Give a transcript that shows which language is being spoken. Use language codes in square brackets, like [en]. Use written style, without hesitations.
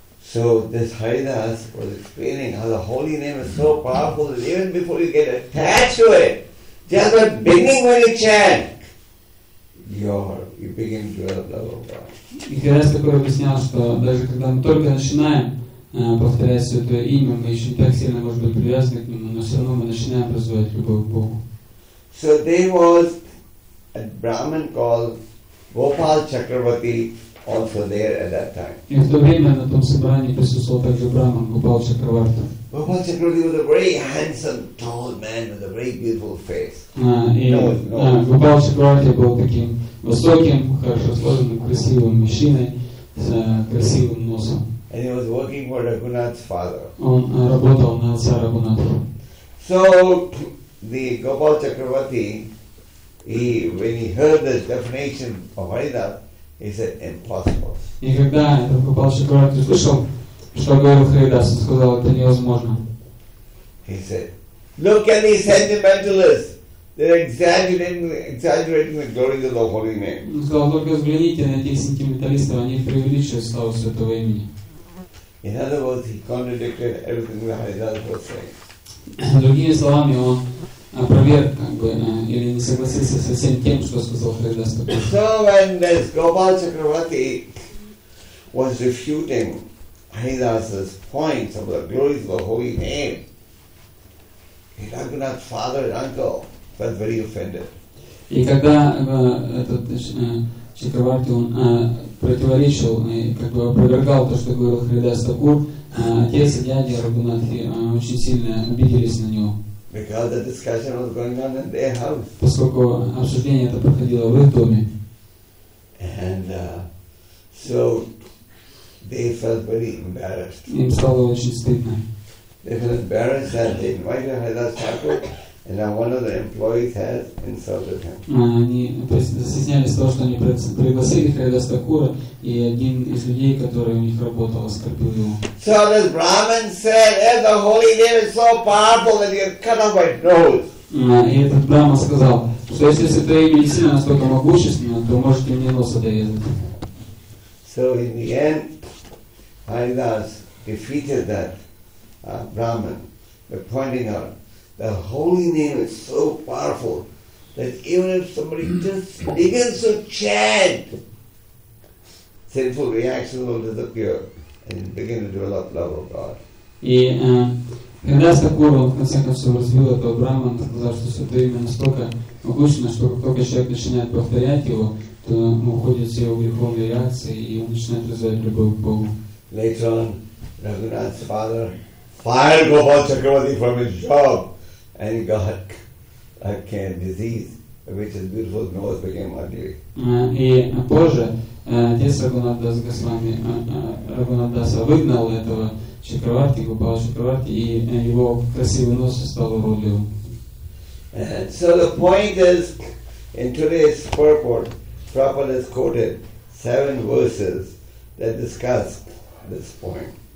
[en] So this Haridas was explaining how the holy name is so powerful that even before you get attached to it, just by beginning when you chant, you begin to develop love of God. [ru] И Харидас такое объяснял, что даже когда мы только начинаем повторять святое имя, мы еще не так сильно можем быть привязаны к нему, но все равно мы начинаем вызывать любовь к Богу. [en] So there was a Brahmin called Gopal Chakravarti also there at that time. [ru] И в то время на том собрании присутствовал также Брахман Гопал Чакраварти. [en] Gopal Chakravarti was a very handsome, tall man with a very beautiful face. [ru] Gopal Chakravarti был таким высоким, хорошо сложенным, красивым мужчиной с красивым носом. [en] And he was working for Raghunath's father. [ru] Он работал на отца Рагунатха. [en] So the Gopal Chakravarti, when he heard the definition of Haridas, he said, impossible. [ru] И когда этот Гопал Чакраварти услышал, что говорил Харидас, он сказал, это невозможно. [en] He said, look at these sentimentalists. They're exaggerating the glory of the holy name. [ru] Он сказал, только взгляните на этих сентименталистов, они преувеличивают славу святого имени. [en] In other words, he contradicted everything that Haridas was saying. [ru] Другими словами, он опроверг, или не согласился со всем тем, что сказал Харидас. [en] So when this Gopal Chakravarti was refuting Haridas's points of the glory of the holy name, Raghunath's father and uncle felt very offended. [ru] И когда этот Чакраварти противоречил и опровергал то, что говорил Харидас Такур, отец и дядя Рагунатхи очень сильно обиделись на него. [en] Because the discussion was going on in their house. [ru] Поскольку обсуждение это проходило в их доме. [en] And so they felt very embarrassed. [ru] Им стало очень стыдно. [en] They felt embarrassed that they invited Haridas Thakur and now one of the employees has insulted him. [ru] Они застеснялись того, что они пригласили Харидас Такура, и один из людей, который у них работал, оскорбил его. [en] So this Brahmin said, "As the holy name is so powerful that you cut off my nose." [ru] И этот Брахман сказал, что если святое имя действительно настолько могущественно, то можете мне нос отрезать. [en] So in the end, Haridas defeated that Brahman by pointing out the holy name is so powerful that even if somebody just begins to chant, sinful reactions will disappear and begin to develop love of God. [ru] Когда Сакуру, в конце концов, развил этого Брахмана, он сказал, что святое имя настолько могущественно, что как только человек начинает повторять его, то он уходит с его греховной реакции, и он начинает вызывать любовь к Богу. [en] Later on, Raghunath's father fired Gopal Chakravarti from his job, and he got a cane disease, which his beautiful nose became ugly. [ru] И позже, отец Раганадаса Госвами, Раганадаса выгнал этого Чакраварти, Гупал Чакраварти, и его красивый нос стал уродливым. [en] So the point is, in today's purport, Prabhupada has quoted 7 verses that discuss this point.